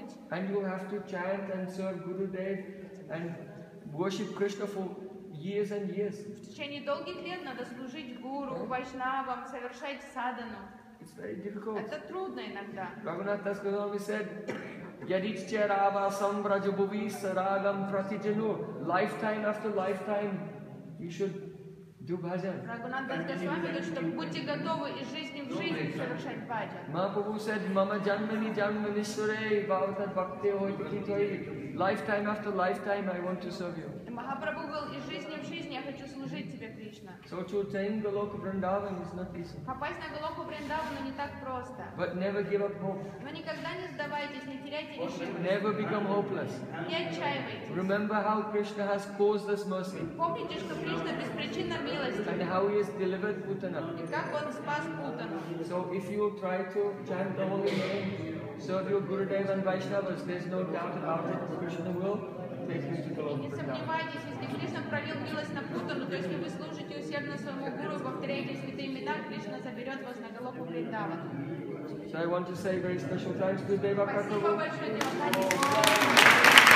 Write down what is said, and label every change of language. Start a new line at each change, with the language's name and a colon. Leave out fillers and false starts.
English: And you have to chant and serve Gurudev and worship Krishna for years and years.
Russian: В течение долгих лет надо служить гуру, вайшнавам, совершать садхану.
English: It's very difficult.
Russian: Это трудно иногда.
Sanskrit: Raghunath Das Goswami said, "Yadichya rava sam brajabhuvi saragam pratijanu."
English: Lifetime after lifetime, you should do bhajan.
Russian: Raghunath Das Goswami говорит, что будьте готовы из жизни в жизнь совершать бхаджан.
Sanskrit: Mahaprabhu said, "Mama janmani janmani sure bhavatat bhakti hoyi toyi."
English: Lifetime after lifetime, I want to serve you.
Russian: Махапрабху говорил, из жизни в жизнь я хочу служить тебе, Кришна.
English: So to attain Goloka Vrindavan is not easy.
Russian: Попасть на Голоку Вриндавану не так просто.
English: But never give up hope.
Russian: Но никогда не сдавайтесь, не теряйте решимость.
English: Never become hopeless.
Russian: Не отчаивайтесь.
English: Remember how Krishna has causeless mercy.
Russian: Помните, что Кришна беспричинно милостив.
English: And how he has delivered Putana.
Russian: И как он спас Путану.
English: So if you try to chant the holy name, serve your Gurudev and Vaishnavas, there's no doubt about it. Krishna will.
Russian: И не сомневайтесь, если Кришна пролил милость на Путану, то если вы служите усердно своему гуру, повторяете святые имена, Кришна заберет вас на Голоку Вриндаван.
English: So I want to say very special thanks to Deva Prabhu.
Russian: Спасибо большое, Девакатову.